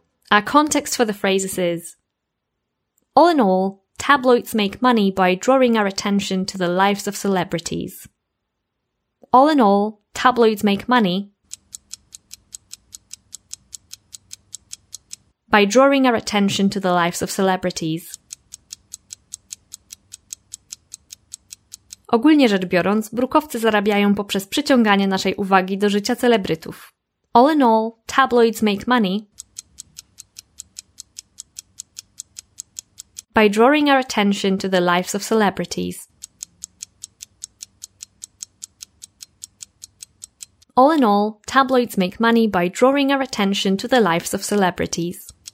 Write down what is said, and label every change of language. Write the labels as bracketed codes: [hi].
[en] Our context for the phrases is: all in all, tabloids make money by drawing our attention to the lives of celebrities. All in all, tabloids make money by drawing our attention to the lives of celebrities. [pl] Ogólnie rzecz biorąc, brukowcy zarabiają poprzez przyciąganie naszej uwagi do życia celebrytów. [en] All in all, tabloids make money by drawing our attention to the lives of celebrities. All in all, tabloids make money by drawing our attention to the lives of celebrities.